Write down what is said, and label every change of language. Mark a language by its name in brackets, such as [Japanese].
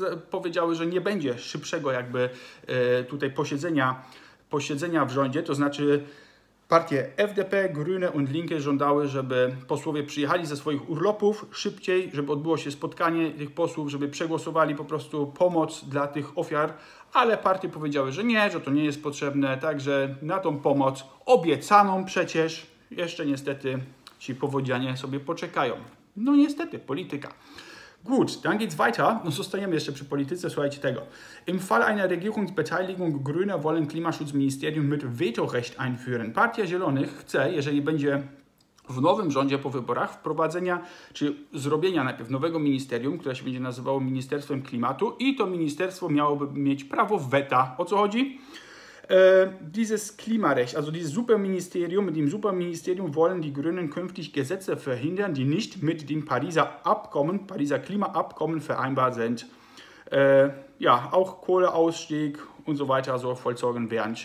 [Polish] powiedziały, że nie będzie szybszego jakby tutaj posiedzenia w rządzie, to znaczy partie FDP, Grüne und Linke żądały, żeby posłowie przyjechali ze swoich urlopów szybciej, żeby odbyło się spotkanie tych posłów, żeby przegłosowali po prostu pomoc dla tych ofiar, ale partie powiedziały, że nie, że to nie jest potrzebne, także na tą pomoc obiecaną przecież jeszcze niestety ci powodzianie sobie poczekają. No niestety, polityka. [German] Gut, dann geht's weiter. [Polish] Und zostajemy jeszcze przy polityce, słuchajcie tego. [German] Im Fall einer Regierungsbeteiligung Grüne wollen Klimaschutzministerium mit Vetorecht einführen. [Polish] Partia Zielonych chce, jeżeli będzie w nowym rządzie po wyborach, wprowadzenia czy zrobienia najpierw nowego ministerium, które się będzie nazywało Ministerstwem Klimatu, i to ministerstwo miałoby mieć prawo weta. O co chodzi? [German] Dieses Klimarecht, also dieses Superministerium, mit dem Superministerium wollen die Grünen künftig Gesetze verhindern, die nicht mit dem Pariser Klimaabkommen vereinbar sind. Ja, auch Kohleausstieg und so weiter so vollzogen werden.